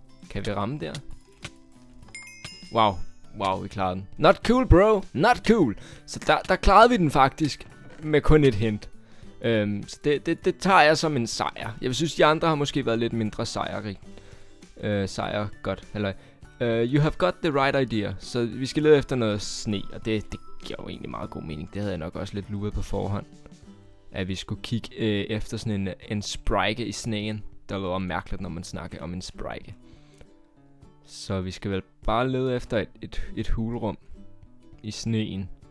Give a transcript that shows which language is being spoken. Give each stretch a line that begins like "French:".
Danish: Kan vi ramme der? Wow, vi klarede den.
English: Not cool, bro. Not cool.
Danish: Så der klarede vi den faktisk. Med kun et hint. Så det tager jeg som en sejr. Jeg synes, de andre har måske været lidt mindre sejrige. Sejr, godt.
English: Eller, you have got the right idea.
Danish: Så vi skal lede efter noget sne. Og det giver jo egentlig meget god mening. Det havde jeg nok også lidt luret på forhånd. At vi skulle kigge efter sådan en sprike i sneen. Det var mærkeligt, når man snakker om en sprike. Så vi skal vel bare lede efter et hulrum i sneen.